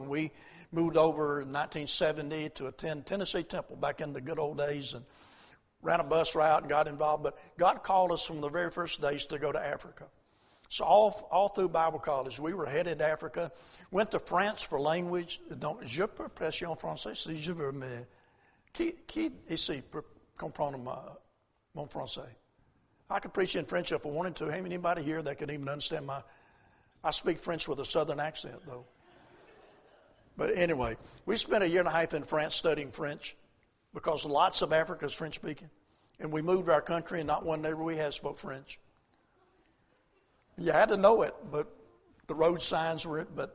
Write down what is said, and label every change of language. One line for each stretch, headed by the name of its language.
English: And we moved over in 1970 to attend Tennessee Temple back in the good old days, and ran a bus route and got involved. But God called us from the very first days to go to Africa. So all through Bible college, we were headed to Africa. Went to France for language.
French: Donc, je peux parler français si je veux, mais qui ici peut comprendre mon français?
English: I could preach in French if I wanted to. Ain't anybody here that could even understand I speak French with a southern accent, though. But anyway, we spent a year and a half in France studying French, because lots of Africa is French-speaking. And we moved to our country, and not one neighbor we had spoke French. You had to know it, but the road signs were it.